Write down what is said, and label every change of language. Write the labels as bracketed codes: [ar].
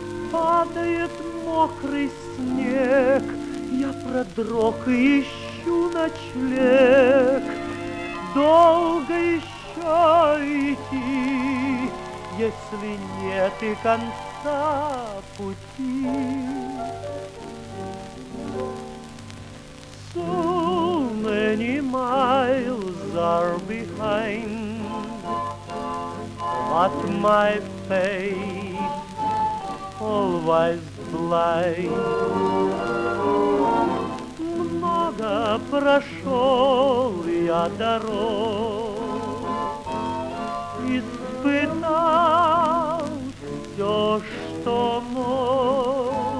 [ru] Падает мокрый снег, я продрог и ищу ночлег. Долго еще идти, если нет и конца пути. [en] So many miles are behind, but my faith always blind. [ru] Много прошел я дорог, испытал все, что мог.